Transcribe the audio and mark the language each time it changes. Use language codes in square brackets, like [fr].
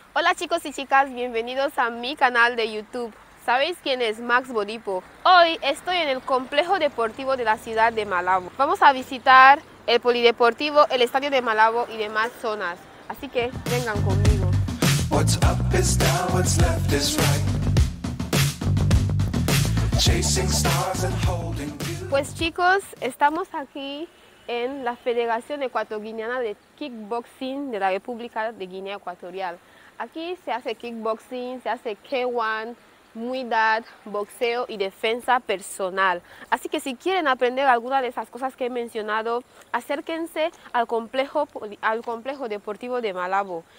[es] Hola chicos y chicas, bienvenidos a mi canal de YouTube. ¿Sabéis quién es Max Bodipo? Hoy estoy en el complejo deportivo de la ciudad de Malabo. Vamos a visitar el polideportivo, el estadio de Malabo y demás zonas. Así que vengan conmigo. [en] What's up is down, what's left is right. Chasing stars and holding you. [es] Pues chicos, estamos aquí en la Federación Ecuatoguineana de Kickboxing de la República de Guinea Ecuatorial. Aquí se hace kickboxing, se hace K1, Muay Thai, boxeo y defensa personal. Así que si quieren aprender alguna de esas cosas que he mencionado, acérquense al complejo deportivo de Malabo.